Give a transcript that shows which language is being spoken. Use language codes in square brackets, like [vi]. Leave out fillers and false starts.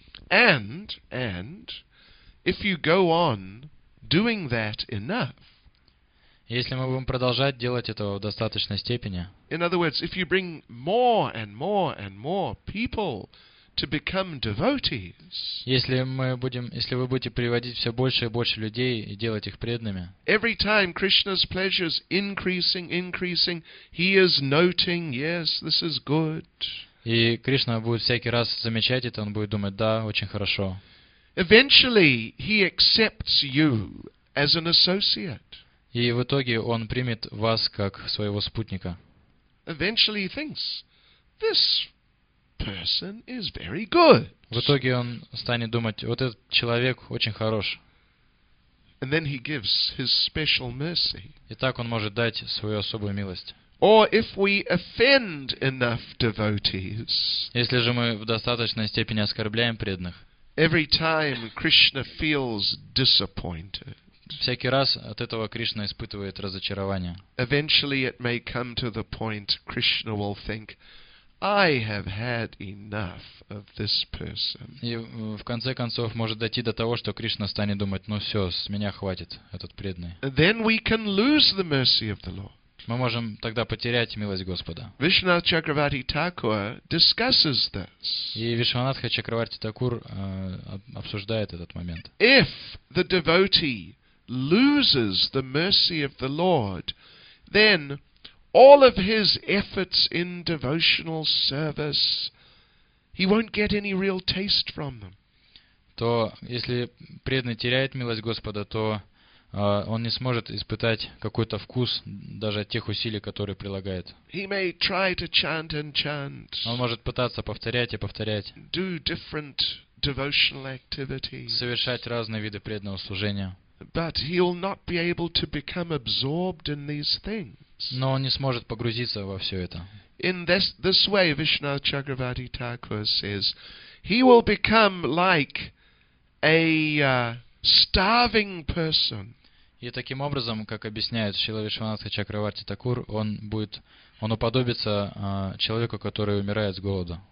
[en] And if you go on doing that enough. [ru] Если мы будем продолжать делать это в достаточной степени. [en] In other words, if you bring more and more and more people to become devotees. [ru] Если вы будете приводить все больше и больше людей и делать их преданными. [en] Every time Krishna's pleasure is increasing, he is noting, yes, this is good. [ru] И Кришна будет всякий раз замечать это, он будет думать: "Да, очень хорошо". [en] Eventually he accepts you as an associate. [ru] И в итоге он примет вас как своего спутника. [en] Eventually he thinks, this person is very good. [ru] В итоге он станет думать, вот этот человек очень хорош. [en] And then he gives his special mercy. [ru] И так он может дать свою особую милость. [en] Or if we offend enough devotees, [ru] если же мы в достаточной степени оскорбляем преданных, [en] every time Krishna feels disappointed, [ru] всякий раз от этого Кришна испытывает разочарование. [en] Eventually it may come to the point Krishna will think, I have had enough of this person. [ru] И в конце концов может дойти до того, что Кришна станет думать, ну все, с меня хватит этот преданный. [en] Then we can lose the mercy of the Lord. [ru] Мы можем тогда потерять милость Господа. [en] Vishwanath Chakravarti Thakur discusses this. [ru] И Вишванатха Чакраварти Такур обсуждает этот момент. [en] If the devotee loses the mercy of the Lord, then all of his efforts in devotional service, he won't get any real taste from them. [ru] То если преданный теряет милость Господа, то он не сможет испытать какой-то вкус даже от тех усилий, которые прилагает. [en] He may try to chant and chant, [ru] он может пытаться повторять и повторять, [en] do different devotional activities, [ru] совершать разные виды преданного служения, [en] but he'll not be able to become absorbed in these things. [ru] Но он не сможет погрузиться во все это. [en] In this way, Vishwanath Chakravarti Thakur says, he will become like a starving person. [ru] И таким образом, как объясняет Шрила Вишванатха Чакраварти Такур, он уподобится человеку, который умирает с голода.